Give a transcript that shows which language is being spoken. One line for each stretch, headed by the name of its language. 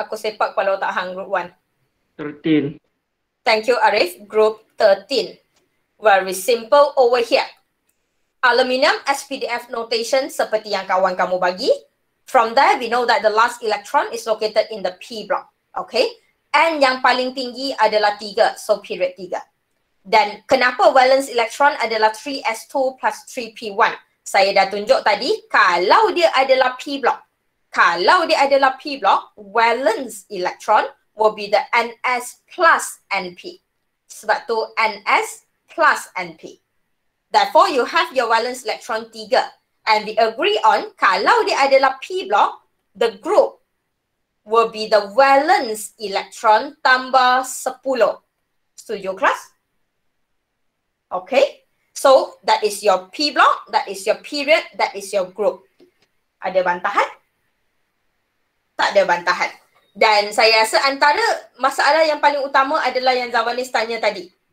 Malay: Aku sepak kepala otak hang group 1. 13.
English: Thank you, Arif. Group 13. Very simple over here.
Malay: Aluminium SPDF notation seperti yang kawan kamu bagi.
English: From there, we know that the last electron is located in the P block. Okay?
Malay: And yang paling tinggi adalah 3.
English: So, period 3.
Malay: Dan kenapa valence electron adalah 3s2 plus 3p1? Saya dah tunjuk tadi, kalau dia adalah P block. Kalau dia adalah
English: P block, valence electron will be the ns plus np.
Malay: Sebab tu
English: ns plus np. Therefore, you have your valence electron 3. And we agree on,
Malay: kalau dia adalah
English: P block, the group will be the valence electron
Malay: tambah
English: 10. Studio class? Okay, so that is your P block, that is your period, that is your group.
Malay: Ada bantahan? Tak ada bantahan. Dan saya rasa antara masalah yang paling utama adalah yang Zawanis tanya tadi.